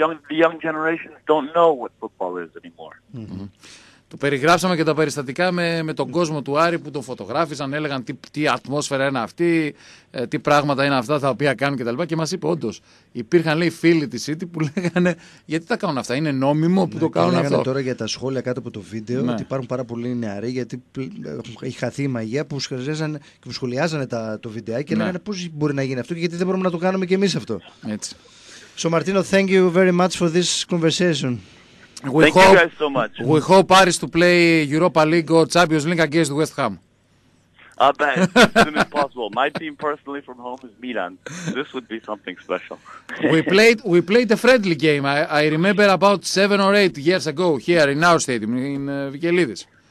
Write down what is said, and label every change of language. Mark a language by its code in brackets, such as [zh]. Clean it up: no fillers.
[en] The young generations don't know what football is anymore. Mm-hmm. [el] Το περιγράψαμε και τα περιστατικά με τον κόσμο του Άρη που τον φωτογράφησαν, έλεγαν τι ατμόσφαιρα είναι αυτή, τι πράγματα είναι αυτά τα οποία κάνουν κτλ. Και μας είπε όντως, υπήρχαν λέει φίλοι της City που λέγανε γιατί τα κάνουν αυτά, είναι νόμιμο που το κάνουν αυτό. Λέγανε τώρα για τα σχόλια κάτω από το βίντεο ότι υπάρχουν πάρα πολλοί νεαροί γιατί έχει χαθεί η μαγεία που σχολιάζανε το βιντεάκι και λέγανε πώς μπορεί να γίνει αυτό και γιατί δεν μπορούμε να το κάνουμε και εμείς αυτό. Έτσι. [en] So, Martino, thank you very much for this conversation. Thank you guys so much. We hope Paris to play Europa League or Champions League against West Ham. bet. It's an impossible. My team personally from home is Milan. This would be something special. We played a friendly game. I remember about 7 or 8 years ago here in our stadium in Vigelides.